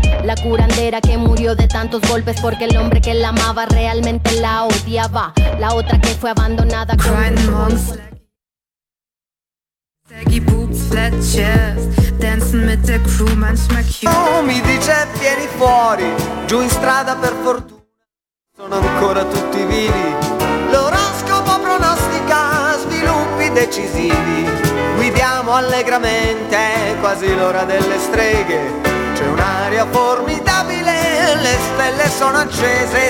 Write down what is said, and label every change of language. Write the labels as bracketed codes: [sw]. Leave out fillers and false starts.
[es] La curandera que murió de tantos golpes porque el hombre que la amaba realmente la odiaba. La otra que fue abandonada [en] crying monks. Saggy boobs, flat chest, dancing with the crew, [de] manchmal [en] cute. [it] Oh, mi dice vieni fuori, giù in strada per fortuna. Sono ancora tutti vivi. L'oroscopo pronostica sviluppi decisivi. Guidiamo allegramente, è quasi l'ora delle streghe. C'è un'aria formidabile, le stelle sono accese.